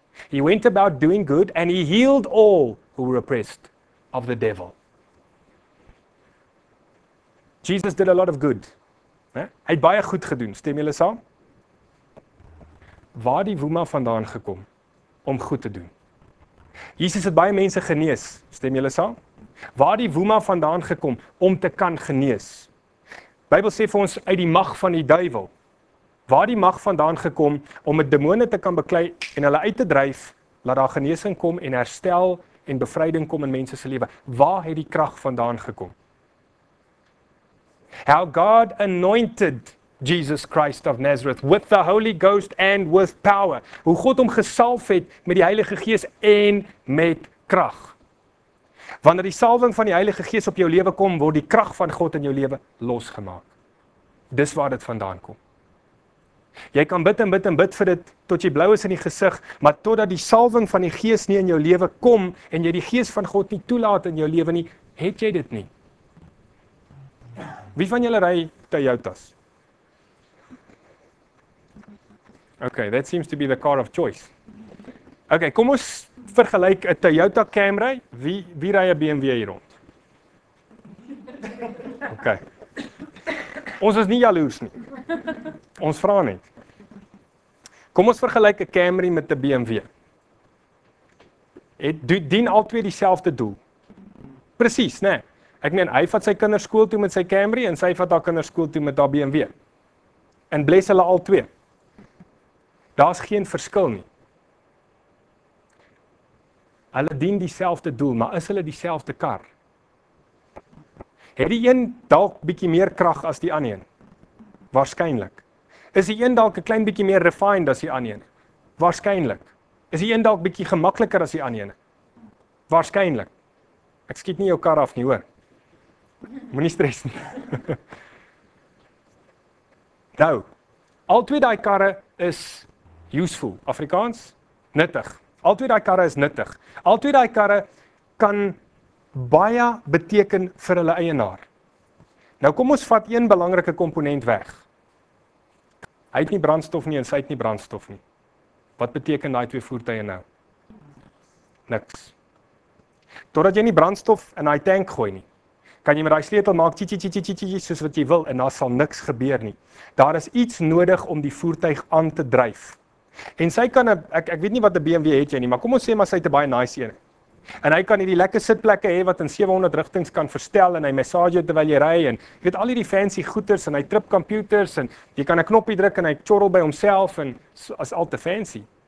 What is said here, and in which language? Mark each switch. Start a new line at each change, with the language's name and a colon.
English: He went about doing good and he healed all who were oppressed of the devil. Jesus did a lot of good.
Afrikaans: Hy het baie goed gedoen, stem julle saam? Waar die woema vandaan gekom om goed te doen? Jesus het baie mense genees, stem julle saam? Waar die woema vandaan gekom om te kan genees? Bybel sê vir ons uit die mag van die duiwel. Waar die mag vandaan gekom om 'n demone te kan beklei en hulle uit te dryf, laat daar genesing kom en herstel en bevryding kom in mense se lewe. Waar het die krag vandaan gekom?
English: How God anointed Jesus Christ of Nazareth with the Holy Ghost and with power.
Afrikaans: Hoe God hom gesalf het met die Heilige Gees en met krag. Wanneer die salwing van die Heilige Gees op jou lewe kom, word die krag van God in jou lewe losgemaak. Dis waar dit vandaan kom. Jy kan bid en bid en bid vir dit tot jy blou is in die gesig, maar totdat die salwing van die Gees nie in jou lewe kom en jy die Gees van God nie toelaat in jou lewe nie, het jy dit nie. Wie van julle ry Toyotas?
English: Okay, that seems to be the car of choice.
Afrikaans: Okay, kom ons vergelyk 'n Toyota Camry. Wie ry 'n BMW hier rond? Okay. Ons is nie jaloers nie. Ons vra net. Kom ons vergelyk 'n Camry met 'n BMW. Dien albei dieselfde doel. Presies, né? Ek meen, hy vat sy kinders skool toe met sy Camry en sy vat haar kinders skool toe met haar BMW. En bless hulle albei. Daar's geen verskil nie. Hulle dien dieselfde doel, maar is hulle dieselfde kar? Het die een dalk bietjie meer krag as die ander een? Waarskynlik. Is die een dalk 'n klein bietjie meer refined as die ander een? Waarskynlik. Is die een dalk bietjie gemakliker as die ander een? Waarskynlik. Ek skiet nie jou kar af nie, hoor. Moenie stres nie. Nou, albei daai karre is useful, Afrikaans, nuttig. Albei daai karre is nuttig. Albei daai karre kan baie beteken vir hulle eienaar. Nou kom ons vat een belangrike komponent weg. Hy het nie brandstof nie en sy het nie brandstof nie. Wat beteken daai twee voertuie nou? Niks. Totdat jy nie brandstof in daai tank gooi nie, kan jy met daai sleutel maak tjie tjie tjie tjie tjie soos wat jy wil en daar sal niks gebeur nie. Daar is iets nodig om die voertuig aan te dryf. En sy kan, ek weet nie wat 'n BMW het jy nie, maar kom ons sê maar sy het 'n baie nice een. En hy kan hierdie lekker sitplekke hê wat in 700 rigtings kan verstel en hy massage jou terwyl jy ry en jy weet al hierdie fancy goeders en hy trip computers en jy kan 'n knoppie druk en hy chorrel by homself en is al te fancy.